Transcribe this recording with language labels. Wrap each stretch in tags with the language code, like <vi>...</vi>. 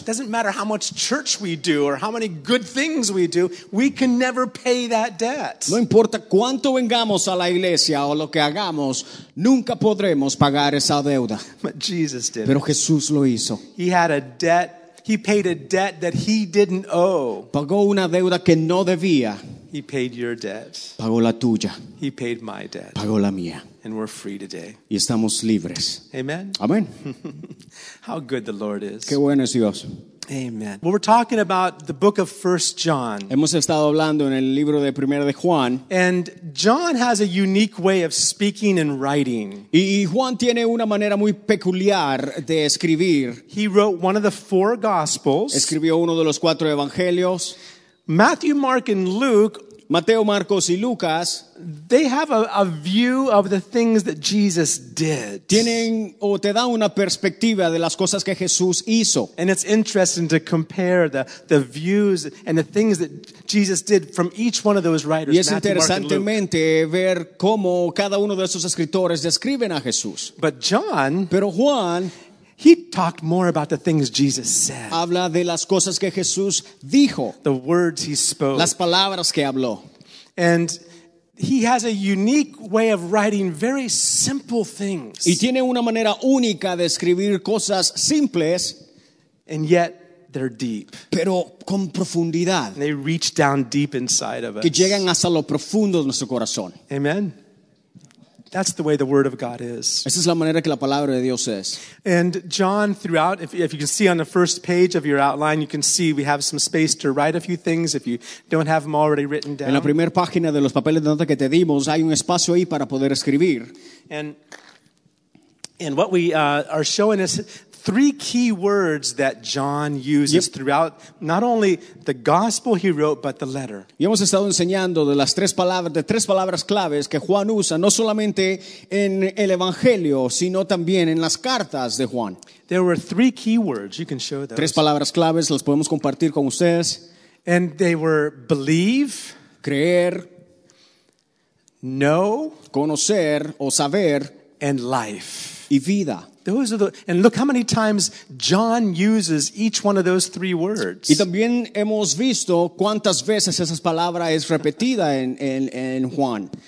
<en>It doesn't matter how much church we do or how many good things we do, we can never pay that debt.</en> <es>No importa cuánto vengamos a la iglesia o lo que hagamos, nunca podremos pagar esa deuda.</es> <en>But Jesus did.</en> <es>Pero Jesús lo hizo.</es> <en>He had a debt. He paid a debt that he didn't owe.</en> <es>Pagó una deuda que no debía.</es> <en>He paid your debt.</en> <es>Pagó la tuya.</es> <en>He paid my debt.</en> <es>Pagó la mía.</es> <en>And we're free today.</en> <es>Y estamos libres.</es> <en>Amen. Amen. How good the Lord is.</en> <es>Qué bueno es Dios.</es> <en>Amen. Well, we're talking about the book of 1 John.</en> <es>Hemos estado hablando en el libro de Primera de Juan.</es> <en>And John has a unique way of speaking and writing.</en> <es>Y Juan tiene una manera muy peculiar de escribir.</es> <en>He wrote one of the four gospels.</en> <es>Escribió uno de los cuatro evangelios.</es> <en>Matthew, Mark, and Luke.</en> <es>Mateo, Marcos, y Lucas.</es> <en>They have a view of the things that Jesus did.</en> <es>Tienen o te dan una perspectiva de las cosas que Jesús hizo.</es> <en>And it's interesting to compare the views and the things that Jesus did from each one of those writers.</en> <es>Y es interesantemente ver cómo cada uno de esos escritores describen a Jesús.</es> <en>But John.</en> <es>Pero Juan.</es> <en>He talked more about the things Jesus said.</en> <es>Habla de las cosas que Jesús dijo.</es> <en>The words he spoke.</en> <es>Las palabras que habló.</es> <en>And he has a unique way of writing very simple things.</en> <es>Y tiene una manera única de escribir cosas simples.</es> <en>And yet they're deep.</en> <es>Pero con profundidad.</es> <en>And they reach down deep inside of us.</en> <es>Que llegan hasta lo profundo de nuestro corazón.</es> <en>Amen. That's the way the word of God is.</en> <es>Esa es la manera que la palabra de Dios es.</es> <en>And John, throughout, if you can see on the first page of your outline, you can see we have some space to write a few things if you don't have them already written down.</en> <es>En la primera página de los papeles de nota que te dimos, hay un espacio ahí para poder escribir.</es> <en>And what we are showing is three key words that John uses yep. throughout not only the gospel he wrote but the letter.</en> <es>Y hemos estado enseñando de las tres palabras claves que Juan usa no solamente en el evangelio sino también en las cartas de Juan.</es> <en>There were three key words you can show those.</en> <es>Tres palabras claves las podemos compartir con ustedes.</es> <en>And they were believe,</en> <es>creer,</es> <en>know,</en> <es>conocer o saber,</es> <en>and life.</en> <es>Y vida.</es> <en>Those are the, and look how many times John uses each one of those three words.</en> <es>Y también hemos visto cuántas veces esa palabra es repetida en Juan.</es>